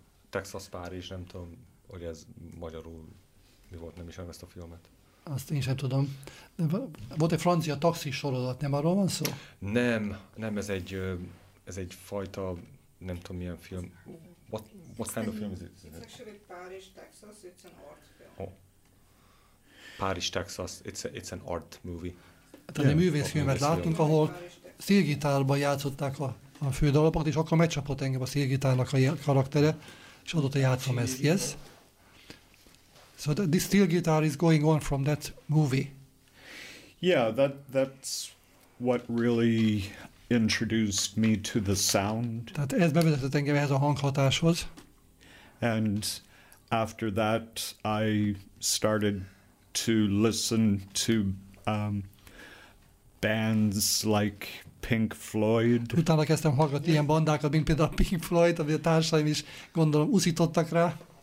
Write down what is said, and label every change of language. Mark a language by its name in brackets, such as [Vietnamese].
[Hungarian] Texas Paris, nem tudom, hogy ez magyarul mi volt, nem ismerem ezt a filmet. Azt én sem tudom. De volt egy francia taxis sorozat, nem arról van szó? Nem, ez egy fajta, nem tudom milyen film. [English] What kind of film is it? It's actually Paris, Texas, it's an art film. Oh. Paris, Texas, it's an art movie. [Hungarian] Tehát egy művészfilmet láttunk, ahol szélgitárban játszották a fő dalapot, és akkor megcsapott engem a szélgitárnak a karaktere, és adott a játszom ezt, yes? [English] So the steel guitar is going on from that movie. Yeah, that's what really introduced me to the sound. [Hungarian] Tehát ez bevezetett engem ehhez a hanghatáshoz. [English] And after that, I started to listen to bands like Pink Floyd. [Hungarian] Utána kezdtem hallgatni ilyen bandákat, mint például Pink Floyd, ami a társaim is gondolom uszítottak rá.